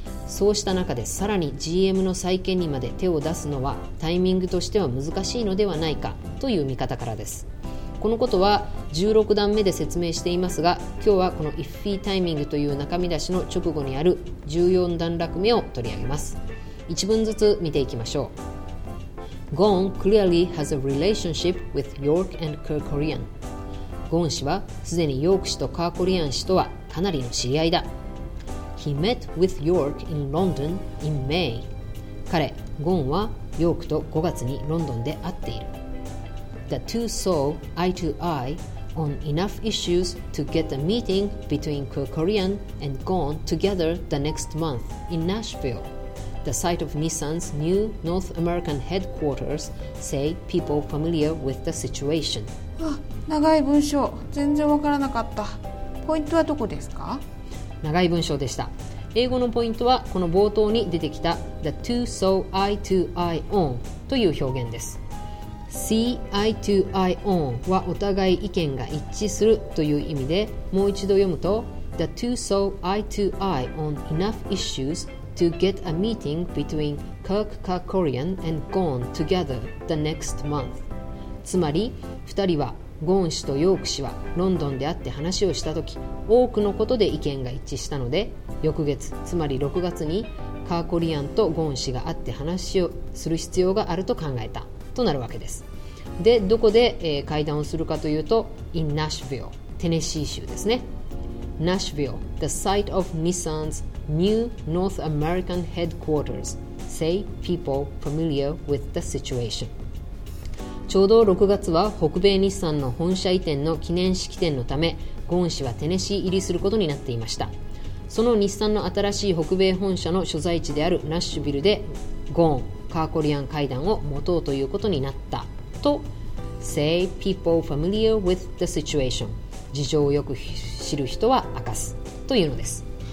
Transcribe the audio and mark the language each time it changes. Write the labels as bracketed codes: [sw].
[ja] そうした中でさらに GM の再建にまで手を出すのはタイミングとしては難しいのではないかという見方からです。このことは16段目で説明していますが、今日はこの iffy timing という中身出しの直後にある14段落目を取り上げます。 1文ずつ見ていきましょう。 [en] Gon clearly has a relationship with York and Kerkorian。 [ja] ゴン氏はすでにヨーク氏とカーコリアン氏とはかなりの知り合いだ。 [en] He met with York in London in May。 [ja] 彼、ゴンはヨークと5月にロンドンで会っている。 [en] The two saw eye to eye on enough issues to get a meeting between Kerkorian and Gon together the next month in Nashville, the site of Nissan's new North American headquarters, say people familiar with the situation. [ja] 長い文章、全然わからなかった。ポイントはどこですか？長い文章でした。英語のポイントはこの冒頭に出てきた [en] The two saw eye to eye on [ja] という表現です。 [en] See eye to eye on [ja] はお互い意見が一致するという意味で、もう一度読むと [en] The two saw eye to eye on enough issues to get a meeting between Kirk Kerkorian and Gon together the next month。 [ja] つまり二人はゴーン氏とヨーク氏はロンドンで会って話をした時、多くのことで意見が一致したので、翌月つまり6月にカーコリアンとゴーン氏が会って話をする必要があると考えたとなるわけです。で、どこで、会談をするかというと [en] In Nashville、 [ja] テネシー州ですね。 [en] Nashville, the site of Nissan's new North American headquarters, say people familiar with the situation。 [ja] ちょうど6月は北米日産の本社移転の記念式典のため、ゴーン氏はテネシー入りすることになっていました。その日産の新しい北米本社の所在地であるナッシュビルでゴーン・カーコリアン会談を持とうということになったと、 [en] Say people familiar with the situation、 [ja] 事情をよく知る人は明かすというのです。